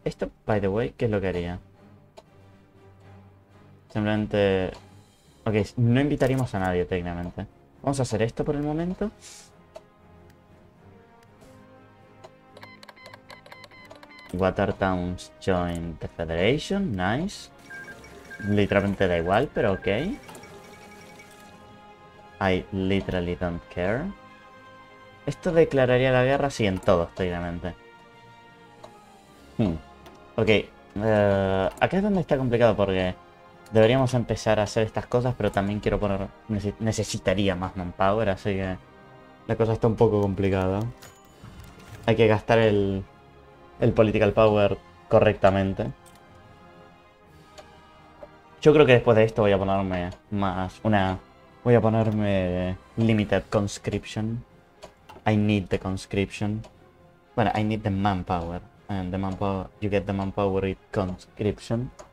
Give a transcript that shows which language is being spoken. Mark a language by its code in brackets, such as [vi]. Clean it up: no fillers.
[es] Esto, [en] by the way, [es] ¿qué es lo que haría? Simplemente Ok, no invitaríamos a nadie técnicamente. Vamos a hacer esto por el momento. [en] Water Towns join the Federation. Nice. [es] Literalmente da igual, pero ok. [en] I literally don't care. [es] Esto declararía la guerra, sí, en todos, técnicamente. Ok. Acá es donde está complicado porque deberíamos empezar a hacer estas cosas, pero también quiero poner... Necesitaría más manpower, así que la cosa está un poco complicada. Hay que gastar el political power correctamente. Yo creo que después de esto voy a ponerme más una... Voy a ponerme limited conscription. [en] I need the conscription. Bueno, I need the manpower. And the manpower, you get the manpower with conscription.